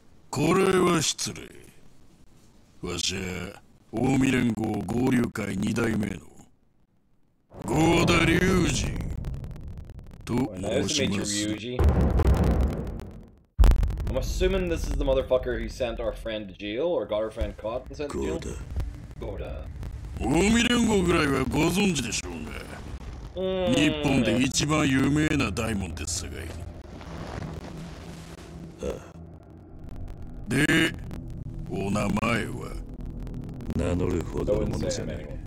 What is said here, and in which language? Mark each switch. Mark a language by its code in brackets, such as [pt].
[ja] これは失礼。わしは近江連合合流会二代目の合田龍二と申します。 [en] I'm assuming this is the motherfucker who sent our friend to jail, or got our friend caught and sent to jail? Goda. Goda. [ja] 近江連合ぐらいはご存知でしょうが、日本で一番有名なダイモンですさかい。で、お名前は名乗るほどのものじゃない。